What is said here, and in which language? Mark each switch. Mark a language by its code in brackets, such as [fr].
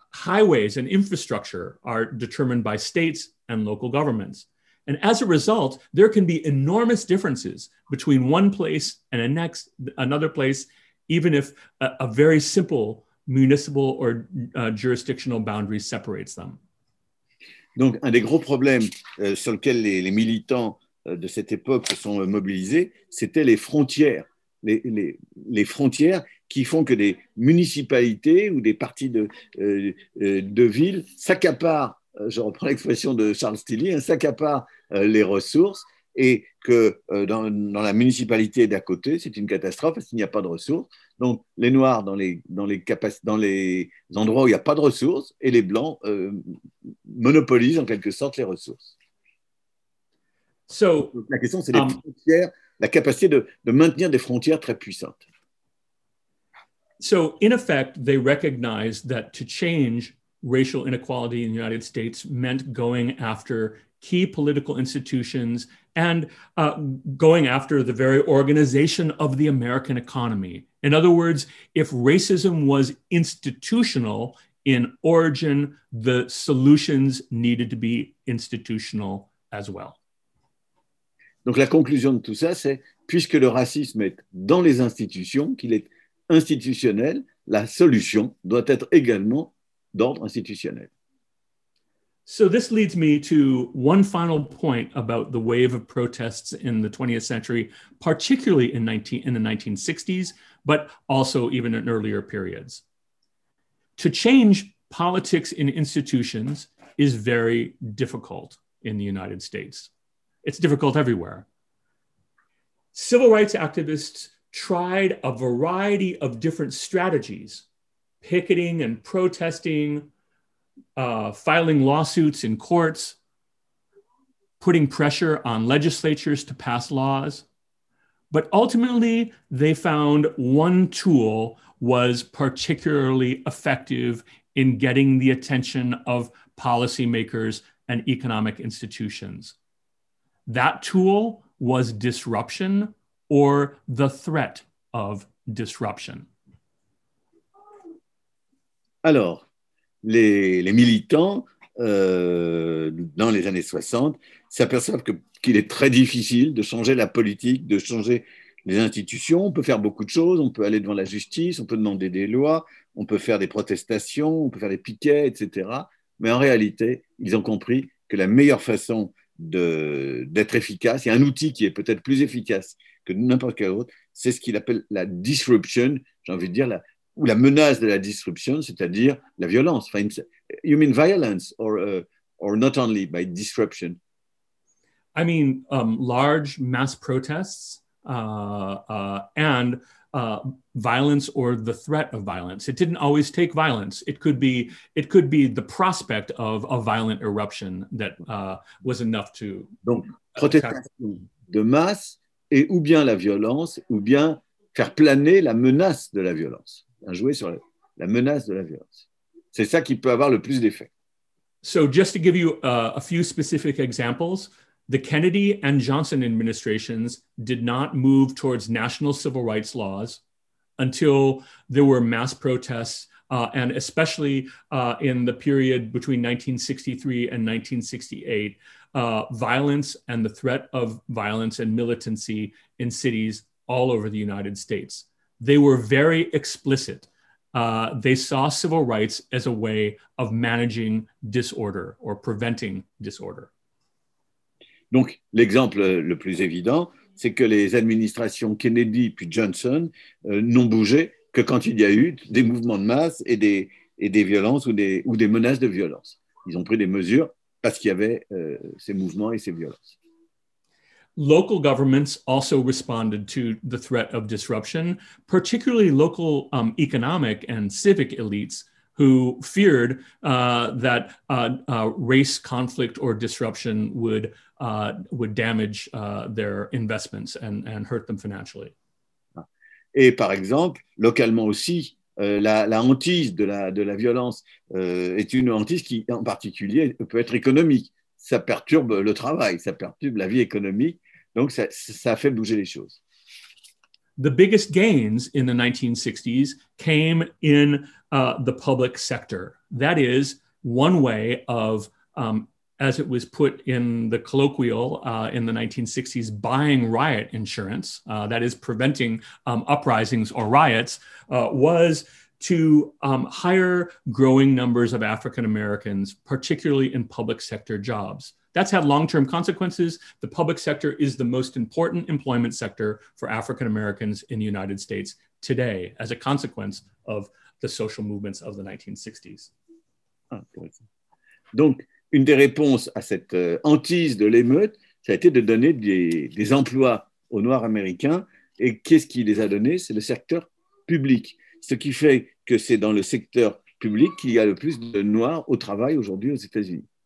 [en] Highways and infrastructure are determined by states and local governments. And as a result, there can be enormous differences between one place and the next, another place, even if a very simple municipal or jurisdictional boundary separates them. [fr] Donc, un des gros problèmes sur lequel les militants de cette époque se sont mobilisés, c'était les frontières. Les frontières qui font que des municipalités ou des parties de villes s'accaparent, je reprends l'expression de Charles Tilly, hein, s'accaparent les ressources et que dans la municipalité d'à côté, c'est une catastrophe parce qu'il n'y a pas de ressources. Donc les Noirs dans les endroits où il n'y a pas de ressources et les Blancs monopolisent en quelque sorte les ressources. [en] So, [fr] la question, c'est les frontières, la capacité de maintenir des frontières très puissantes. [en] So, in effect, they recognize that to change racial inequality in the United States meant going after key political institutions and going after the very organization of the American economy. In other words, if racism was institutional in origin, the solutions needed to be institutional as well. [fr] Donc la conclusion de tout ça, c'est puisque le racisme est dans les institutions, qu'il est institutionnel, la solution doit être également d'ordre institutionnel. [en] So this leads me to one final point about the wave of protests in the 20th century, particularly in the 1960s, but also even in earlier periods. To change politics in institutions is very difficult in the United States. It's difficult everywhere. Civil rights activists tried a variety of different strategies, picketing and protesting, filing lawsuits in courts, putting pressure on legislatures to pass laws. But ultimately, they found one tool was particularly effective in getting the attention of policymakers and economic institutions. That tool was disruption or the threat of disruption. [fr] Alors, les militants dans les années 60 s'aperçoivent qu'il est très difficile de changer la politique, de changer les institutions. On peut faire beaucoup de choses, on peut aller devant la justice, on peut demander des lois, on peut faire des protestations, on peut faire des piquets, etc. Mais en réalité, ils ont compris que la meilleure façon d'être efficace, il y a un outil qui est peut-être plus efficace que n'importe quel autre, c'est ce qu'il appelle la disruption, j'ai envie de dire, ou la menace de la disruption, c'est-à-dire la violence. [en] Enfin, you mean violence or not only by disruption? I mean large mass protests and violence or the threat of violence. It didn't always take violence. It could be the prospect of a violent eruption that was enough to... [fr] Donc, protestation de masse et ou bien la violence, ou bien faire planer la menace de la violence. Un jouet sur la menace de la violence. C'est ça qui peut avoir le plus d'effet. [en] So just to give you a few specific examples, the Kennedy and Johnson administrations did not move towards national civil rights laws until there were mass protests, and especially in the period between 1963 and 1968, violence and the threat of violence and militancy in cities all over the United States. They were very explicit. They saw civil rights as a way of managing disorder or preventing disorder. [fr] Donc, l'exemple le plus évident, c'est que les administrations Kennedy puis Johnson n'ont bougé que quand il y a eu des mouvements de masse et des violences ou des menaces de violence. Ils ont pris des mesures parce qu'il y avait ces mouvements et ces violences. [en] Local governments also responded to the threat of disruption, particularly local economic and civic elites who feared that race conflict or disruption would damage their investments and hurt them financially. [fr] Et par exemple, localement aussi, la hantise de la violence est une hantise qui, en particulier, peut être économique. Ça perturbe le travail, ça perturbe la vie économique, donc ça fait bouger les choses. [en] The biggest gains in the 1960s came in the public sector. That is one way of, as it was put in the colloquial in the 1960s, buying riot insurance, that is preventing uprisings or riots, was to hire growing numbers of African Americans, particularly in public sector jobs. That's had long-term consequences. The public sector is the most important employment sector for African Americans in the United States today as a consequence of the social movements of the 1960s. [fr] Donc, une des réponses à cette hantise de l'émeute, ça a été de donner des emplois aux Noirs américains. Et qu'est-ce qui les a donnés? C'est le secteur public. Ce qui fait que c'est dans le secteur public qu'il y a le plus de Noirs au travail aujourd'hui aux États-Unis.